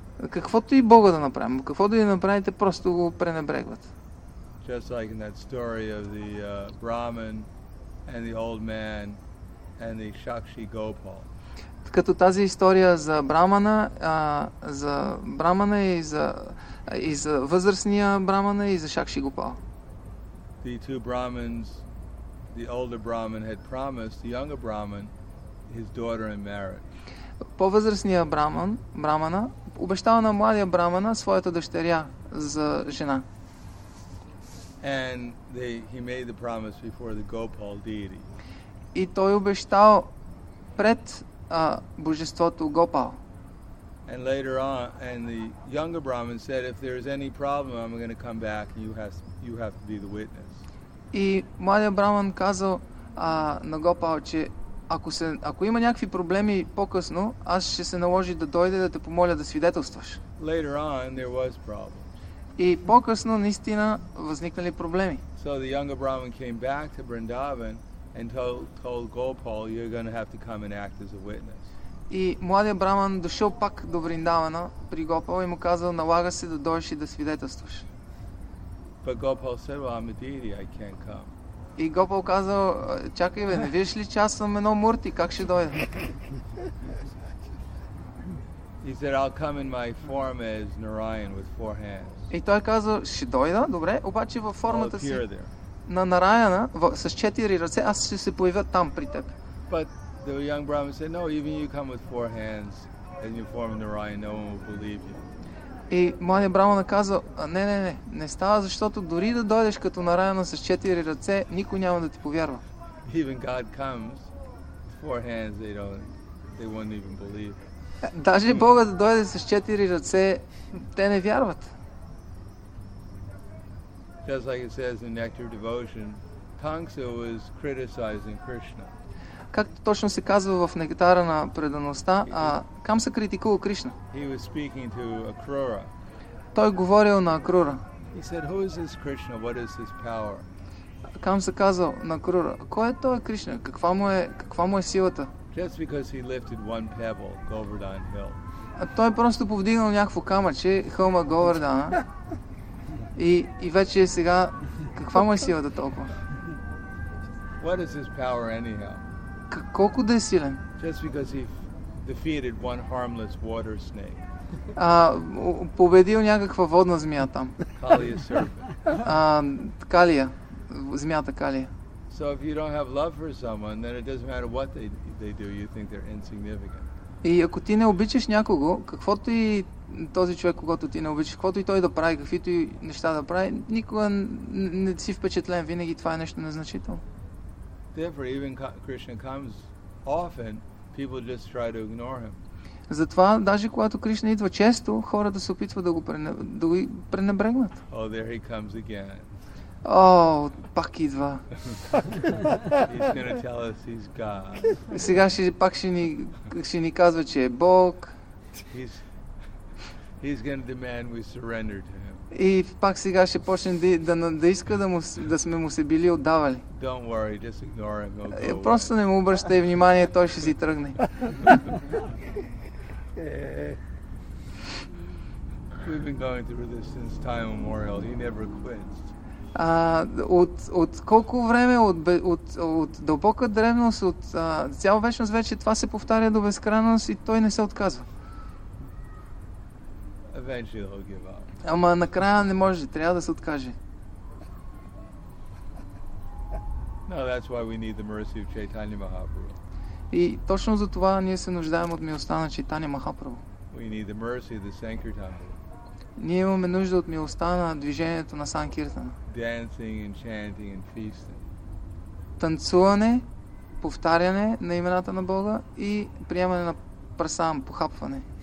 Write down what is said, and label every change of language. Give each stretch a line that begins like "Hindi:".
Bulgarian: Каквото и Бога да направим, каквото и да направите, просто го пренебрегват.
English: Just like in that story of the Brahman and the old man and the Shakshi Gopal.
Bulgarian: Като тази история за брамана, за брамана и за възрастния брамана и за Шакши Гопал.
English: The two brahmins, the older brahman had promised the younger brahman his daughter in marriage.
Bulgarian: По-възрастния брамана обещава на младия брамана своята дъщеря за жена.
English: And he made the promise before the Gopal deity.
Bulgarian: И той обещал пред божеството Гопал.
English: And later on, and the younger Brahmin said, if there is any problem, I'm going to come back, and you have to be the witness.
Bulgarian: И младият Браман казал на Гопал, че ако има някакви проблеми по-късно, аз ще се наложи да дойде да те помоля да свидетелстваш.
English: Later on, there was problems.
Bulgarian: И по-късно наистина възникнали проблеми.
English: So the younger Brahman came back to Vrindavan and told Gopal, you're going to have to come and act as a witness.
Bulgarian: И младият Браман дошъл пак до Вриндавана при Гопал и му казал, налага се да дойдеш и да свидетелстваш.
English: But Gopal said, well, I'm a deity, I can't come.
Bulgarian: И Гопал казал, чакай бе, не виждаш ли, че аз съм едно мурти, как ще дойда?
English: He said, I'll come in my form as Narayan with four hands.
Bulgarian: И той казал, ще дойда, добре, обаче във формата си на Нараяна, с четири ръце, аз ще се появя там при теб.
English: But the young Brahman said, no, even you come with four hands and you form Narayan, no one will believe you.
Bulgarian: И младият Браман казал, не става, защото дори да дойдеш като Нараяна с четири ръце, никой няма да ти повярва.
English: Even God comes, four hands, they won't even believe.
Bulgarian: Даже Бога да дойде с четири ръце, те не вярват.
English: Just like it says in Nectar of Devotion, Tangsa was criticizing Krishna.
Bulgarian: Както точно се казва в Нектара на предаността, Камса критикува Кришна.
English: He was speaking to Акрура.
Bulgarian: Той говорил на Акрура.
English: He said, who is this Krishna? What is his power?
Bulgarian: Камса казал на Акрура, кой е той Кришна? Каква му е силата?
English: Just because he lifted one pebble, Govardhan Hill.
Bulgarian: Той просто повдигнал някакво камъче, хълма Говардана. И вече сега, каква му е силата толкова?
English: What is his power anyhow?
Bulgarian: Колко да е силен?
English: Just because he defeated one harmless water snake.
Bulgarian: Победил някаква водна змия там.
English: Калия серпент.
Bulgarian: Калия. Змията Калия.
English: So if you don't have love for someone, then it doesn't matter what they do, you think they're insignificant.
Bulgarian: И ако ти не обичаш някого, каквото и този човек, когато ти не обичаш, каквото и той да прави, каквито и неща да прави, никога не си впечатлен, винаги това е нещо незначително.
English: Therefore, even Krishna comes often, people just try to ignore him.
Bulgarian: Затова, даже когато Кришна идва често, хората се опитват да го пренебрегнат.
English: Oh, there he comes again.
Bulgarian: Oh, пак идва.
English: He's going to tell us he's God.
Bulgarian: Сега ще ни казва, че е Бог.
English: He's going to demand we surrender to him.
Bulgarian: И пак сега ще почне да иска да сме му се били отдавали.
English: Don't worry, just ignore him, he'll go away.
Bulgarian: Просто не му обръщай внимание, той ще си тръгне.
English: We've been going through this since time immemorial. He never quits.
Bulgarian: От колко време, от дълбока древност, от цяла вечност вече това се повтаря до безкрайност и той не се отказва.
English: Eventually he'll give up.
Bulgarian: Ама накрая не може, трябва да се откаже.
English: No, that's why we need the mercy of Chaitanya Mahaprabhu.
Bulgarian: И точно за това ние се нуждаем от милостта на Чайтанья Махапрабху.
English: We need the mercy of the Sankirtan.
Bulgarian: Ние имаме нужда от милостта на движението на Санкиртана.
English: Dancing and chanting and feasting.
Bulgarian: Танцуване, повтаряне на имената на Бога и приемане на прасам, похапване.